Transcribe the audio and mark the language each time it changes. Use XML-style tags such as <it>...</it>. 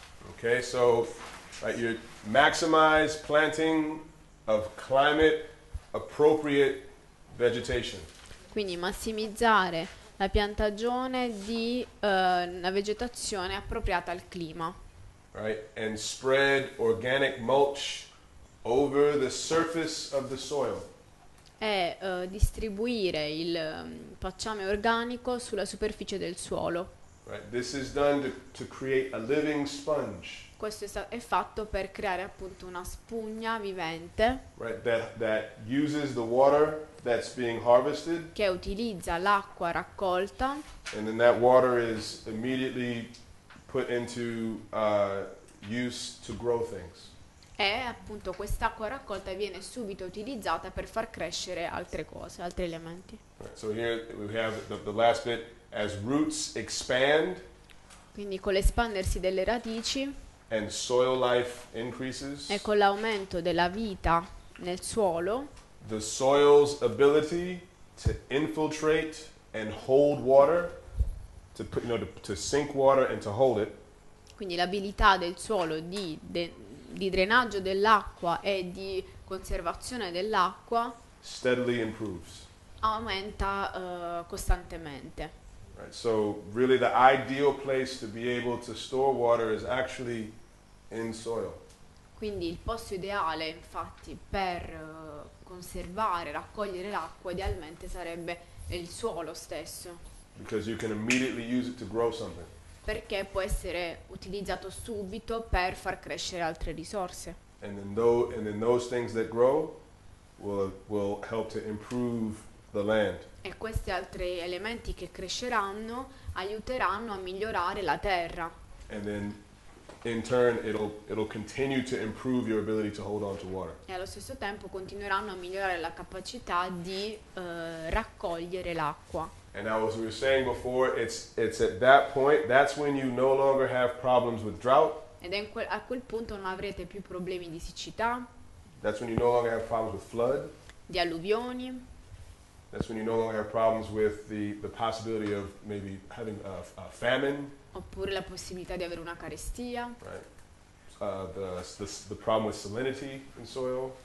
<en>Ok, so right, you maximize planting of climate appropriate vegetation.</en> <it>Quindi massimizzare la piantagione di una vegetazione appropriata al clima.</it> <en>Right, and spread organic mulch over the surface of the soil.</en> <it>E distribuire il pacciame organico sulla superficie del suolo.</it> <en>Right, this is done to create a living sponge.</en> <it>Questo è fatto per creare appunto una spugna vivente.</it> <en>Right, that uses the water that's being harvested.</en> <it>Che utilizza l'acqua raccolta.</it> <en>And then that water is immediately put into use to grow things.</en> <it>E appunto quest'acqua raccolta viene subito utilizzata per far crescere altre cose, altri elementi.</it> <en>Right, so here we have the last bit, as roots expand.</en> <it>Quindi con l'espandersi delle radici.</it> <en>And soil life increases.</en> <it>E con l'aumento della vita nel suolo.</it> <en>The soil's ability to infiltrate and hold water, to sink water and to hold it.</en> <it>Quindi l'abilità del suolo di drenaggio dell'acqua e di conservazione dell'acqua</it> <en>steadily improves.</en> <it>Aumenta costantemente.</it> <en>Right, so really the ideal place to be able to store water is actually in soil.</en> <it>Quindi il posto ideale, infatti, per conservare, raccogliere l'acqua idealmente sarebbe il suolo stesso.</it> <en>Because you can immediately use it to grow something.</en> <it>Perché può essere utilizzato subito per far crescere altre risorse.</it> <en>And then those things that grow will help to improve the land.</en> <it>E questi altri elementi che cresceranno aiuteranno a migliorare la terra.</it> <en>And then in turn it'll continue to improve your ability to hold on to water.</en> <it>E allo stesso tempo continueranno a migliorare la capacità di raccogliere l'acqua.</it> <en>And now, as we were saying before, it's at that point, that's when you no longer have problems with drought.</en> <it>Ed è a quel punto non avrete più problemi di siccità.</it> <en>That's when you no longer have problems with flood.</en> <it>Di alluvioni.</it> <en>That's when you no longer have problems with the possibility of maybe having a famine.</en> <it>Oppure la possibilità di avere una carestia.</it> <en>Right. The problem with salinity in soil.</en>